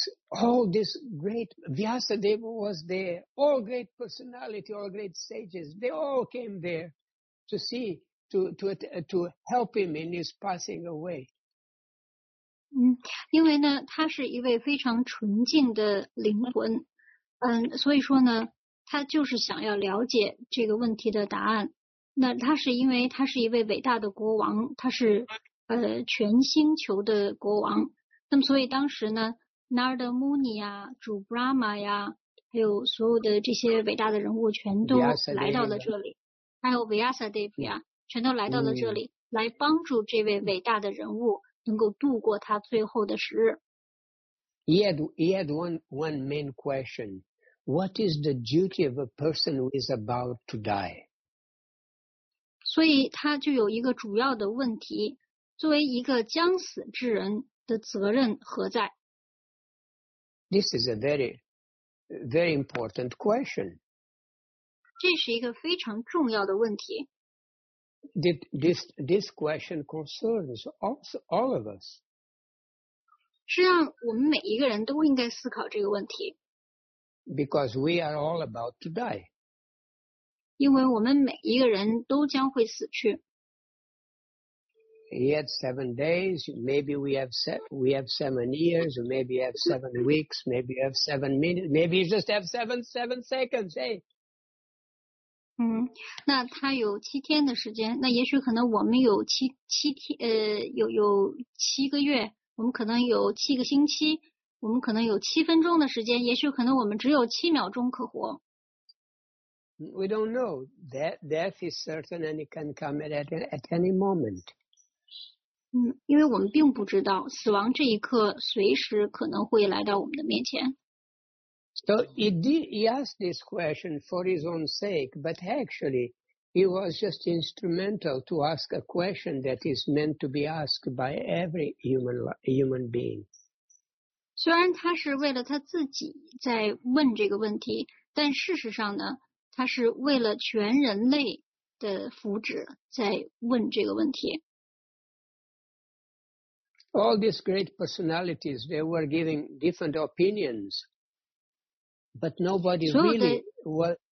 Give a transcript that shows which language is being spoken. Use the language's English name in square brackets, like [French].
[English] All this great Vyasa Deva was there, all great personality, all great sages, they all came there to see, to help him in his passing away. [Chinese] 因为呢，他是一位非常纯净的灵魂，所以说呢，他就是想要了解这个问题的答案。那他是因为他是一位伟大的国王，他是全星球的国王。那么所以当时呢 Narada Muni 呀，主 Brahma 呀，还有所有的这些伟大的人物全都来到了这里，还有 Vyasa Deva 呀，全都来到了这里，来帮助这位伟大的人物能够度过他最后的时日。 [English] He had one main question. What is the duty of a person who is about to die? [Chinese] 所以他就有一个主要的问题，作为一个将死之人的责任何在？ [English] This is a very, very important question. [Chinese] 这是一个非常重要的问题。 [English] This question concerns all of us. [Chinese] 实际上，我们每一个人都应该思考这个问题。 [English] Because we are all about to die. [Chinese] 因为我们每一个人都将会死去。 [English] He had 7 days, maybe we have 7 years, or maybe have 7 weeks, maybe have 7 minutes, maybe you just have seven seconds, hey. [Chinese] 那他有七天的时间，那也许可能我们有七个月，我们可能有7个星期，我们可能有7分钟的时间，也许可能我们只有7秒钟可活。 [English] We don't know. Death is certain and it can come at any moment. [Chinese] 因为我们并不知道死亡这一刻随时可能会来到我们的面前。 [English] So he asked this question for his own sake, but actually he was just instrumental to ask a question that is meant to be asked by every human being. [Chinese] 虽然他是为了他自己在问这个问题，但事实上呢，他是为了全人类的福祉在问这个问题。 [English] All these great personalities, they were giving different opinions, but nobody really was.